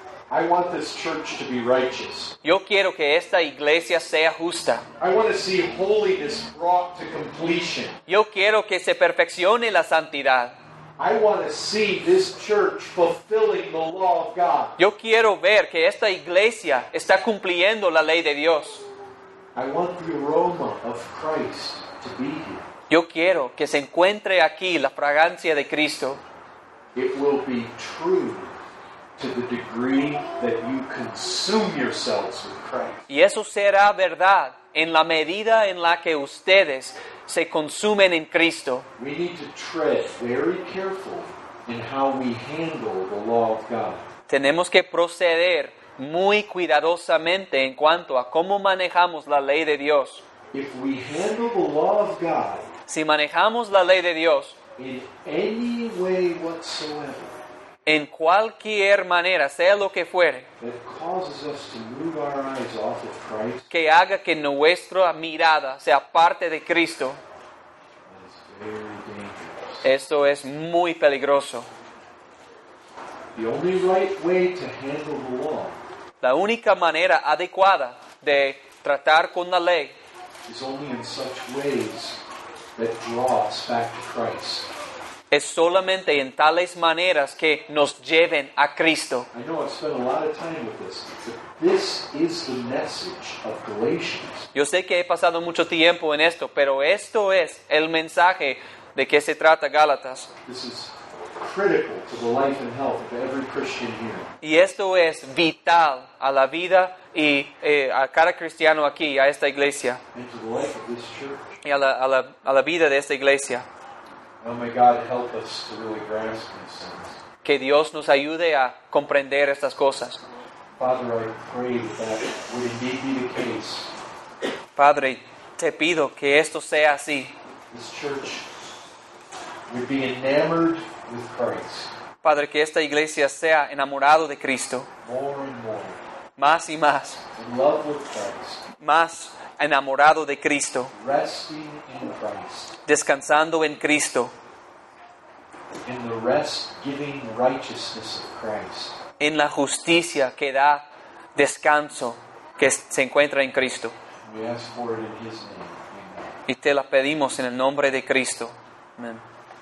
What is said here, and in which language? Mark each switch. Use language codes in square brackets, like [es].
[en] I want this church to be righteous. [es] Yo quiero que esta iglesia sea justa. [en] I want to see holiness brought to completion. [es] Yo quiero que se perfeccione la santidad. [en] I want to see this church fulfilling the law of God. [es] Yo quiero ver que esta iglesia está cumpliendo la ley de Dios. [en] I want the aroma of Christ to be here. [es] Yo quiero que se encuentre aquí la fragancia de Cristo. [en] It will be true to the degree that you consume yourselves with Christ. [es] Y eso será verdad en la medida en la que ustedes se consumen en Cristo. [en] We need to tread very carefully in how we handle the law of God. [es] Tenemos que proceder muy cuidadosamente en cuanto a cómo manejamos la ley de Dios. [en] If we handle the law of God, [es] si manejamos la ley de Dios, [en] in any way whatsoever, [es] en cualquier manera, sea lo que fuere, [en] that causes us to move our eyes off of Christ, [es] que haga que nuestra mirada sea parte de Cristo, [en] is very dangerous. [es] Esto es muy peligroso. [en] The only right way to handle the law, [es] la única manera adecuada de tratar con la ley, [en] is only in such ways that draw us back to Christ. [es] Es solamente en tales maneras que nos lleven a Cristo. [en] I know I've spent a lot of time with this, but this is the message of Galatians. [es] Yo sé que he pasado mucho tiempo en esto, pero esto es el mensaje de que se trata Gálatas. [en] This is critical to the life and health of every Christian here. [es] Y esto es vital a la vida y a cada cristiano aquí, a esta iglesia. [en] And to the life of this church. [es] Y a la vida de esta iglesia. [en] Oh, may God help us to really grasp these things. [es] Que Dios nos ayude a comprender estas cosas. [en] Father, I pray that would indeed be the case. [es] Padre, te pido que esto sea así. [en] This church would be enamored with Christ. [es] Padre, que esta iglesia sea enamorado de Cristo. [en] More and more. [es] Más y más. [en] In love with Christ. [es] Más enamorado de Cristo. [en] Resting in Christ. [es] Descansando en Cristo. [en] In the rest-giving righteousness of Christ. [es] En la justicia que da descanso que se encuentra en Cristo. [en] We ask for it in His name. Amen. [es] Y te la pedimos en el nombre de Cristo. Amén.